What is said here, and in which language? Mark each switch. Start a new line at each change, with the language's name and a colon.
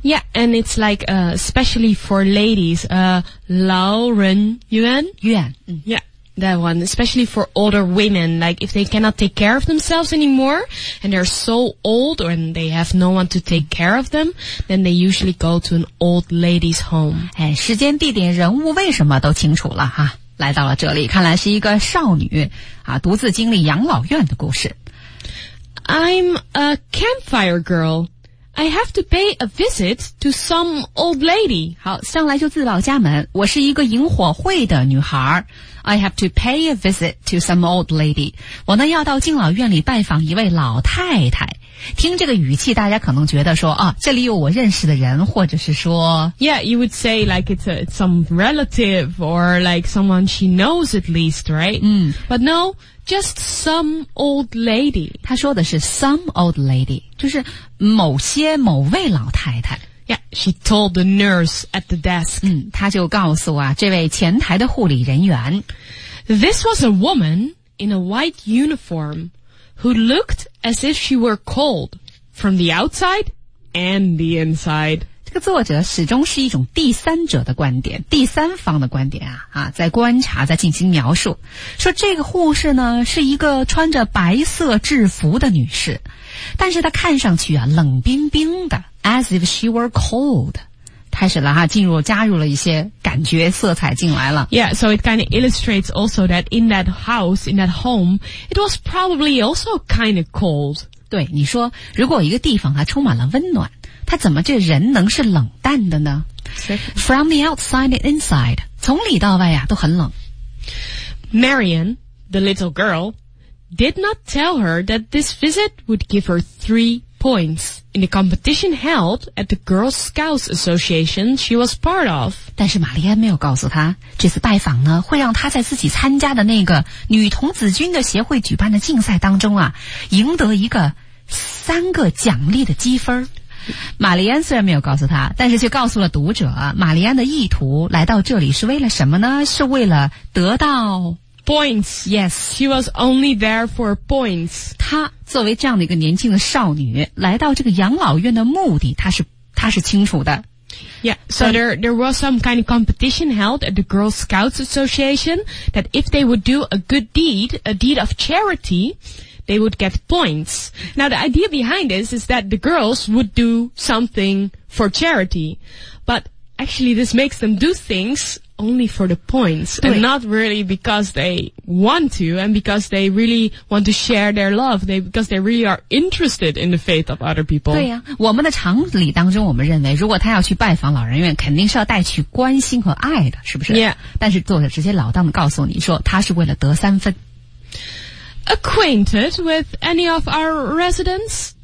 English: Yeah, and it's like, especially for ladies,
Chinese: 老人院。院。
English: Yeah, that one. Especially for older women, like if they cannot take care of themselves anymore, and they're so old and they have no one to take care of them, then they usually go to an old lady's home.
Chinese: 哎，时间、地点、人物为什么都清楚了哈？来到了这里，看来是一个少女啊，独自经历养老院的故事。
English: I'm a campfire girl. I have to pay a visit to some old lady.
Chinese: 好，上来就自报家门。我是一个萤火会的女孩。
English: I have to pay a visit to some old lady.
Chinese: 我呢要到敬老院里拜访一位老太太。听这个语气，大家可能觉得说啊，这里有我认识的人，或者是说
English: ，Yeah, you would say like it's some relative or like someone she knows at least, right? 嗯，But no, just some old lady.
Chinese: 他说的是
English: some old lady，
Chinese: 就是某些某位老太太。
English: Yeah, she told the nurse at the desk.
Chinese: 嗯，她就告诉啊，这位前台的护理人员。
English: This was a woman in a white uniform who looked as if she were cold from the outside and the inside.
Chinese: 这个作者始终是一种第三者的观点，第三方的观点啊，在观察，在进行描述。说这个护士呢，是一个穿着白色制服的女士，但是她看上去啊，冷冰冰的。
English: As if she were cold.
Chinese: 开始了哈，进入加入了一些感觉色彩进来了。
English: Yeah, so it kind of illustrates also that in that house, in that home, it was probably also kind of cold.
Chinese: 对，你说如果一个地方它充满了温暖，它怎么这人能是冷淡的呢？
English: From the outside and inside,
Chinese: 从里到外啊，都很冷。
English: Marion, the little girl, did not tell her that this visit would give her 3 points. In the competition held at the Girl Scouts Association she was part of.
Chinese: 但是玛丽安没有告诉她，这次拜访呢，会让她在自己参加的那个女童子军的协会举办的竞赛当中啊，赢得一个3个奖励的积分。玛丽安虽然没有告诉她，但是却告诉了读者，玛丽安的意图来到这里是为了什么呢？是为了得到
English: Points. Yes. She was only there for points.
Chinese: 她作为这样的一个年轻的少女来到这个养老院的目的她是清楚的。
English: Yeah. So there was some kind of competition held at the Girl Scouts Association that if they would do a good deed, a deed of charity, they would get points. Now the idea behind this is that the girls would do something for charity. But actually this makes them do things only for the points and not really because they want to and because they really want to share their love because they really are interested in the faith of other people.
Chinese: 对呀、啊、我们的常理当中我们认为如果他要去拜访老人院肯定是要带去关心和爱的是不是
English: Yeah.
Chinese: 但是作者直接老当的告诉你说他是为了得三分。
English: Acquainted with any of our residents?